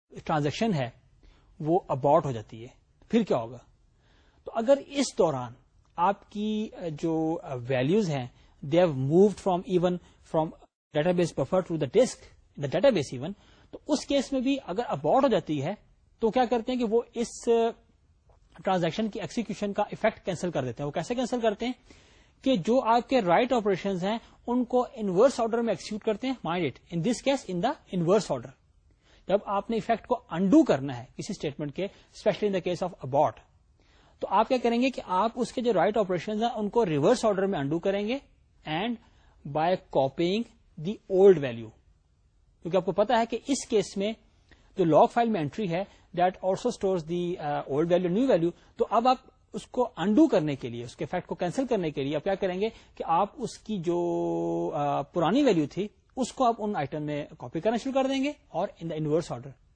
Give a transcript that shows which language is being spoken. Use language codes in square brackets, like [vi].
[ur] transaction ہے وہ ابارٹ ہو جاتی ہے, پھر کیا ہوگا؟ تو اگر اس دوران آپ کی جو ویلوز ہیں [en] they have moved from even from database buffer to the disk the database even, [ur] تو اس کیس میں بھی اگر ابارٹ ہو جاتی ہے تو کیا کرتے ہیں کہ وہ اس ٹرانزیکشن کی ایکسیکیوشن کا افیکٹ کینسل کر دیتے ہیں. وہ کیسے کینسل کرتے ہیں کہ جو آپ کے رائٹ آپریشن ہیں ان کو انورس آرڈر میں ایکسیکیوٹ کرتے ہیں. [en] Mind it, in this case in the inverse order. [ur] جب آپ نے افیکٹ کو انڈو کرنا ہے کسی اسٹیٹمنٹ کے, [en] especially in the case of abort, [ur] تو آپ کیا کریں گے کہ آپ اس کے جو رائٹ آپریشن ہیں ان کو ریورس آرڈر میں انڈو کریں گے, [en] And by copying the old value. [ur] کیونکہ آپ کو پتا ہے کہ اس کیس میں جو لاگ فائل میں انٹری ہے [en] that also stores the old value new value, [ur] تو اب آپ اس کو انڈو کرنے کے لیے, اس کے افیکٹ کو کینسل کرنے کے لیے آپ کیا کریں گے کہ آپ اس کی جو پرانی ویلو تھی اس کو آپ ان آئٹم میں کاپی کرنا شروع کر دیں گے, اور [en] In the inverse order.